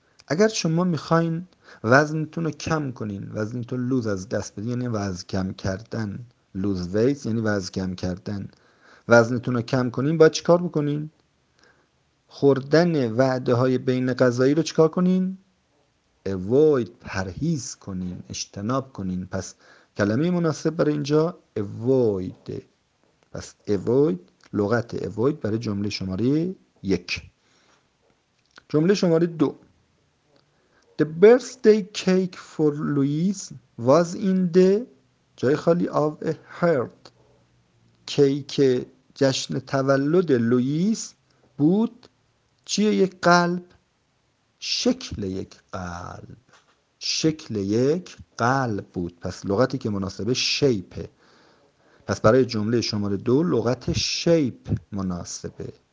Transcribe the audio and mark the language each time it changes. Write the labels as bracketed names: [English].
[Persian] اگر شما میخواین وزنتون رو کم کنین، وزنتون لوز از دست بدین، یعنی وزن کم کردن، [English] lose weight [Persian] یعنی وزن کم کردن، وزنتون رو کم کنین، باید چیکار بکنین؟ خوردن وعده های بین غذایی رو چیکار کنین؟ avoid، پرهیز کنین، اجتناب کنین. پس کلمه مناسب برای اینجا avoid. پس avoid، لغت avoid برای جمله شماره 1. جمله شماره 2. [English] The birthday cake for Louise was in the، [Persian] جای خالی، [English] of a heart. [Persian] کیک جشن تولد لوئیس بود چیه؟ یک قلب. شکل یک قلب، شکل یک قلب بود. پس لغتی که مناسبه شیپه. پس برای جمله شماره 2 لغت شیپ مناسبه.